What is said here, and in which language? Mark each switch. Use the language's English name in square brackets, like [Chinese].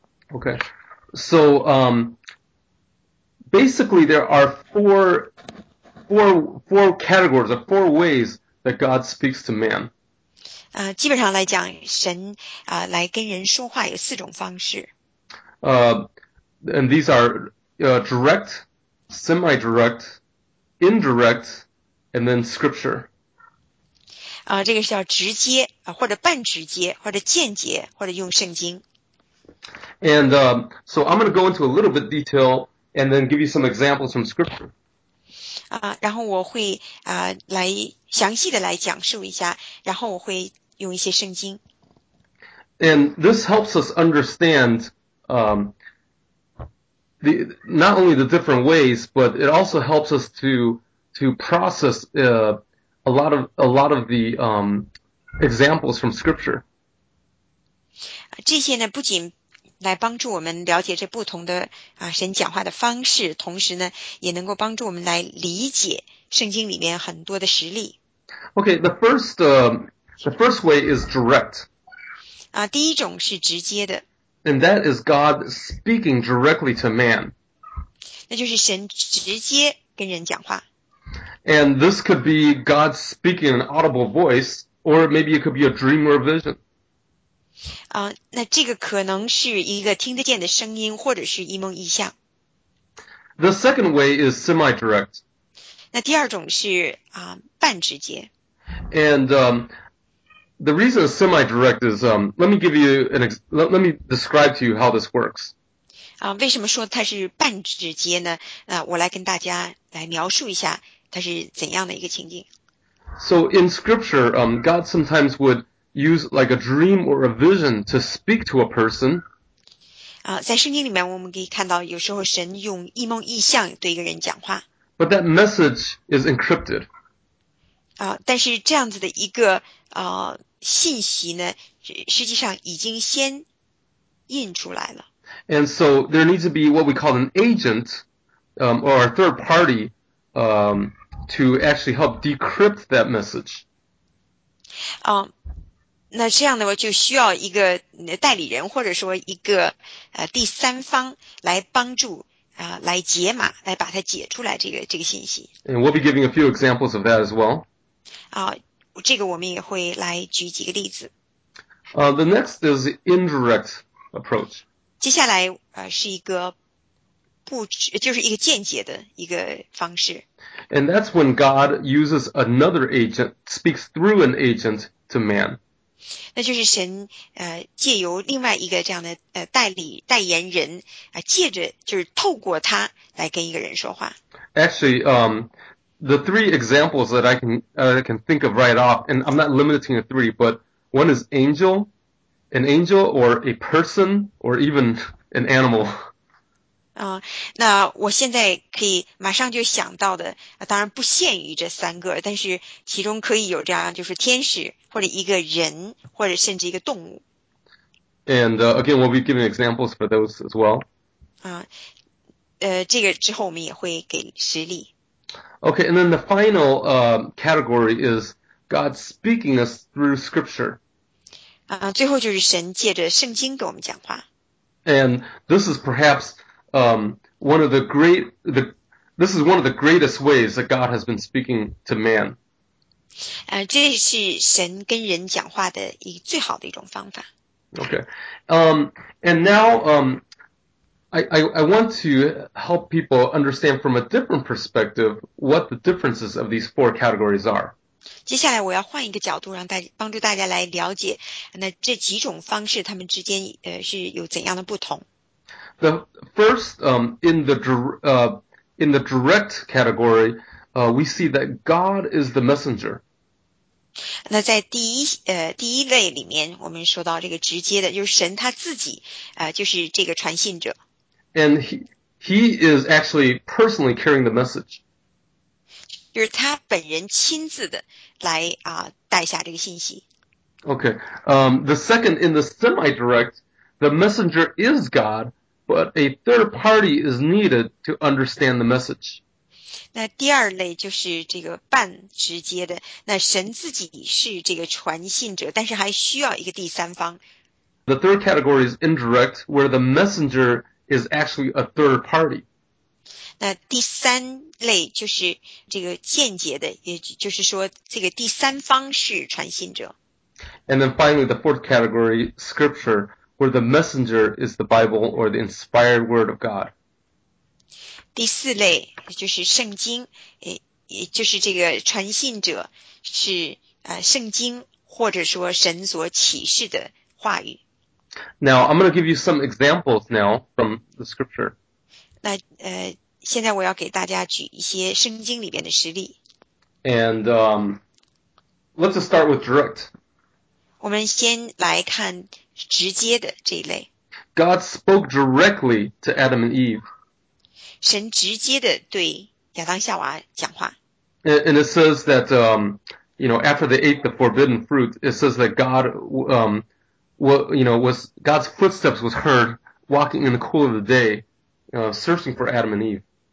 [English] Okay, so basically there are four categories or four ways that God speaks to man. [Chinese] 基本上来讲，神来跟人说话有四种方式。 [English] And these are direct. Semi-direct, indirect, and then scripture. [Chinese] 这个是叫直接或者半直接或者间接或者用圣经。 [English] And so I'm going to go into a little bit detail and then give you some examples from scripture. [Chinese] 然后我会来详细的来讲述一下，然后我会用一些圣经。 [English] And this helps us understand. The, not only the different ways, but it also helps us to process a lot of the examples from scripture. [Chinese] 这些呢不仅来帮助我们了解这不同的神讲话的方式，同时呢也能够帮助我们来理解圣经里面很多的实例。 [English] Okay, the first way is direct. [Chinese] 第一种是直接的。 [English] And that is God speaking directly to man. [Chinese] 那就是神直接跟人讲话。 [English] And this could be God speaking in an audible voice, or maybe it could be a dream or a vision. [Chinese] 那这个可能是一个听得见的声音，或者是一梦一象。 [English] The second way is semi-direct. [Chinese] 那第二种是半直接。 [English] And, The reason it's semi-direct is, let me describe to you how this works. [Chinese] 为什么说它是半直接呢？我来跟大家来描述一下它是怎样的一个情景。 [English] So in scripture, God sometimes would use like a dream or a vision to speak to a person. [Chinese] 在圣经里面我们可以看到，有时候神用异梦异象对一个人讲话。 [English] But that message is encrypted. [Chinese] 但是这样子的一个信息呢，实际上已经先印出来了。 [English] And so there needs to be what we call an agent, or a third party, to actually help decrypt that message. [Chinese] 那这样呢，我就需要一个代理人，或者说一个第三方来帮助来解码，来把它解出来这个信息。 [English] And we'll be giving a few examples of that as well. [Chinese] 这个我们也会来举几个例子。 [English] The next is the indirect approach. [Chinese] 接下来是一个不就是一个间接的一个方式。 [English] And that's when God uses another agent, speaks through an agent to man. [Chinese] 那就是神借由另外一个这样的代言人借着就是透过他来跟一个人说话。 [English] Actually, the three examples that I can think of right off, and I'm not limiting to three, but one is an angel or a person or even an animal. [Chinese] 那我现在可以马上就想到的当然不限于这三个，但是其中可以有这样就是天使或者一个人或者甚至一个动物。 [English] And again, we'll be giving examples for those as well. [Chinese] 这个之后我们也会给实例。 [English] Okay, and then the final category is God speaking us through scripture. [Chinese] 最后就是神借着圣经给我们讲话。 [English] And this is perhaps this is one of the greatest ways that God has been speaking to man. [Chinese] 这是神跟人讲话的最好的一种方法。 [English] Okay. And now, I want to help people understand from a different perspective what the differences of these four categories are. [Chinese] 接下来我要换一个角度让帮助大家来了解那这几种方式他们之间是有怎样的不同。 [English] The first, in the direct category, we see that God is the messenger. [Chinese] 那在第一类里面我们说到这个直接的就是神他自己就是这个传信者。 [English] And he is actually personally carrying the message. [Chinese] 就是他本人亲自的来带下这个信息。 [English] Okay. The second, in the semi-direct, the messenger is God, but a third party is needed to understand the message. [Chinese] 那第二类就是这个半直接的，那神自己是这个传信者，但是还需要一个第三方。 [English] The third category is indirect, where the messenger is actually a third party. [Chinese] 那第三类就是这个间接的，也就是说这个第三方是传信者。 [English] And then finally, the fourth category, scripture, where the messenger is the Bible or the inspired word of God. [Chinese] 第四类就是圣经，也就是这个传信者是圣经或者说神所启示的话语。 [English] Now, I'm going to give you some examples now from the scripture. [Chinese] 那现在我要给大家举一些圣经里面的实例。 [English] And let's just start with direct. [Chinese] 我们先来看直接的这一类。 [English] God spoke directly to Adam and Eve. [Chinese] 神直接的对亚当夏娃讲话。 [English] And it says that, you know, after they ate the forbidden fruit, it says that God... was God's footsteps was heard walking in the cool of the day, searching for Adam and Eve.